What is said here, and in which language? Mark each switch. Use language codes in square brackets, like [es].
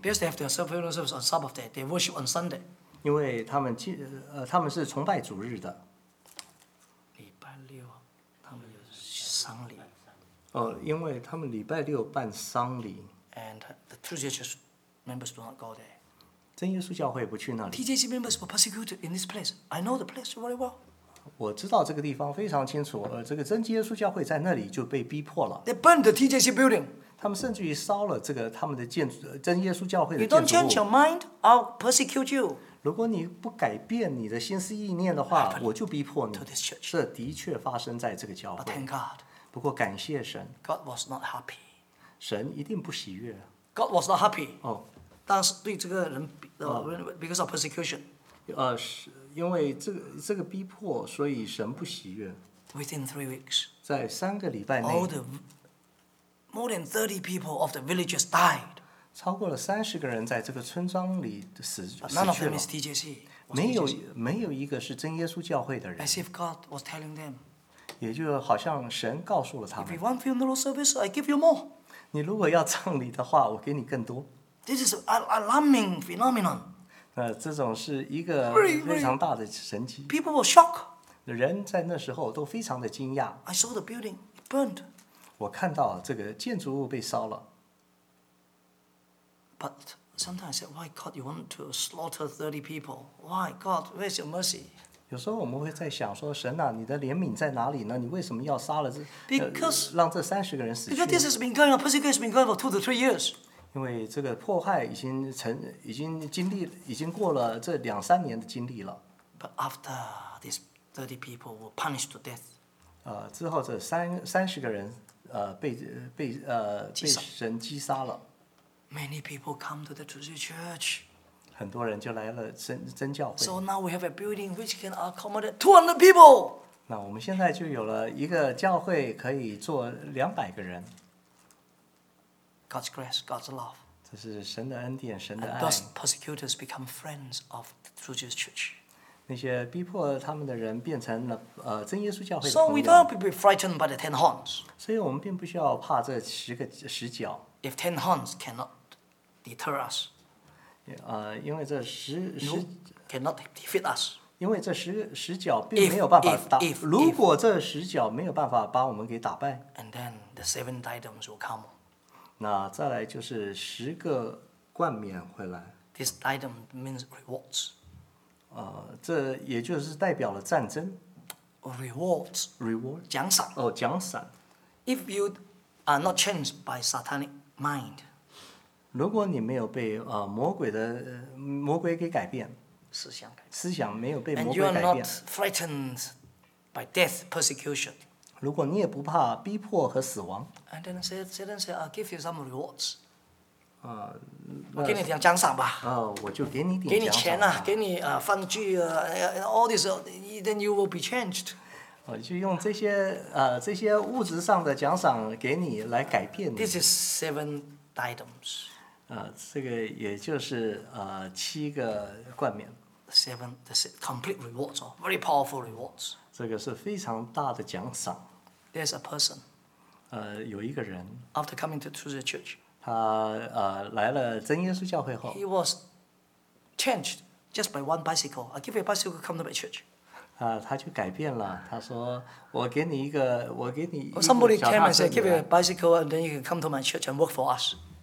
[en] Because they have their funeral service on Sabbath day, they worship on Sunday. [zh] 因为他们是崇拜主日的。礼拜六，他们有丧礼。因为他们礼拜六办丧礼。 [en] And the true church members do not go there. [zh] 真耶稣教会不去那里。 [en] TJC members were persecuted in this place. I know the place very well. [zh] 我知道这个地方非常清楚。这个真耶稣教会在那里就被逼迫了。 [en] They burned the TJC building. [zh] 他们甚至于烧了这个他们的建筑，真耶稣教会的建筑物。 [en] You don't change your mind, I'll persecute you. [zh] 如果你不改变你的心思意念的话，我就逼迫你。 [en] To this church. [zh] 这的确发生在这个教会。 [en] But thank God. [zh] 不过感谢神。 [en] God was not happy. [zh] 神一定不喜悦。 [en] God was not happy. 哦， [zh] 但是对这个人， [en] because of persecution. [zh] 因为这个逼迫，所以神不喜悦。 [en] Within 3 weeks. [zh] 在三个礼拜内。 [en] More than 30 people of the villages died. [zh] 超过了三十个人在这个村庄里死去了。 [en] None of them is TJC. [zh] 没有一个是真耶稣教会的人。 [en] As if God was telling them. [zh] 也就好像神告诉了他们。 [en] If you want funeral service, I give you more. [zh] 你如果要葬礼的话，我给你更多。 [en] This is an alarming phenomenon. [zh] 这种是一个非常大的神迹。 [en] People were shocked. [zh] 人在那时候都非常的惊讶。 [en] I saw the building burned. [zh] 我看到这个建筑物被烧了。 [en] But sometimes I say, why God, you want to slaughter 30 people? Why God, where's your mercy? [zh] 有时候我们会在想说，神啊，你的怜悯在哪里呢？你为什么要杀了这？ [en] Because [zh] 让这三十个人死去。 [en] Because this has been going on, persecution has been going on for 2 to 3 years. [zh] 因为这个迫害已经过了这两三年的经历了。 [en] But after these 30 people were punished to death. [zh] 之后这三十个人。被神击杀了。 [en] Many people come to the true church. [zh] 很多人就来了真教会。 [en] So now we have a building which can accommodate 200 people. [zh] 那我们现在就有了一个教会可以坐200个人。 [en] God's grace, God's love. [zh] 这是神的恩典，神的爱。 [en] And thus persecutors become friends of the true Jewish church. [zh] 那些逼迫他们的人变成了真耶稣教会的朋友。 [en] So we don't be frightened by the ten horns. [zh] 所以我们并不需要怕这十角。 [en] If ten horns cannot deter us. [zh] 因为这十 [en] cannot defeat us. [zh] 因为这十角并没有办法打 [en] if, [zh] 如果这十角没有办法把我们给打败 [en] and then the seven diadems will come. [zh] 那再来就是十个冠冕回来 [en] This diadem means rewards. [zh] 这也就是代表了战争 [en] Rewards. Rewards. [zh] 奖赏、哦、奖赏 [en] If you are not changed by satanic mind. [zh] 如果你没有被、魔鬼给改变思想改变，思想没有被魔鬼改变。 [en] And you are not threatened by death persecution. [zh] 如果你也不怕逼迫和死亡。 [en] And then Satan said, "I'll give you some rewards." [zh] 我给你点奖赏吧。我就给你点奖赏吧。给你钱啊，给你饭具啊 ， [en] all this, then you will be changed. [zh] 就用这些物质上的奖赏给你来改变你。 [en] This is seven diadems. [zh] 这个也就是七个冠冕 [en] seven complete rewards or very powerful rewards [zh] 这个是非常大的奖赏 [en] there's a person [zh] 有一个人 [en] after coming to the church [zh] 他来了真耶稣教会后 [en] he was changed just by one bicycle I'll give you a bicycle come to my church [zh] 他就改变了他说我给你一个 [en] somebody came and said give you a bicycle and then you can come to my church and work for us